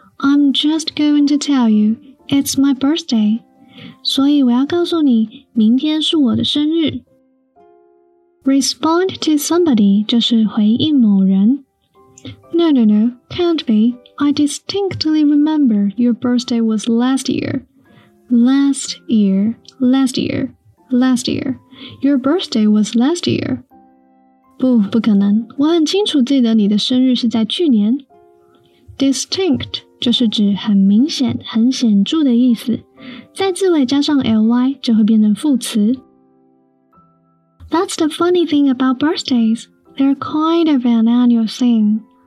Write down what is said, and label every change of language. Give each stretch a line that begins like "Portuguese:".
English: I'm just going to tell you. It's my birthday.
Chinese: 所以我要告诉你，明天是我的生日。
English: Respond to somebody
Chinese: 就是回应某人。
English: No, can't be. I distinctly remember your birthday was last year. Last year. Your birthday was last year.
Chinese: 不可能，我很清楚记得你的生日是在去年。
English: Distinct
Chinese: 就是指很明显、很显著的意思。再字尾加上 ly 就会变成副词。
English: That's the funny thing about birthdays. They're kind of an annual thing.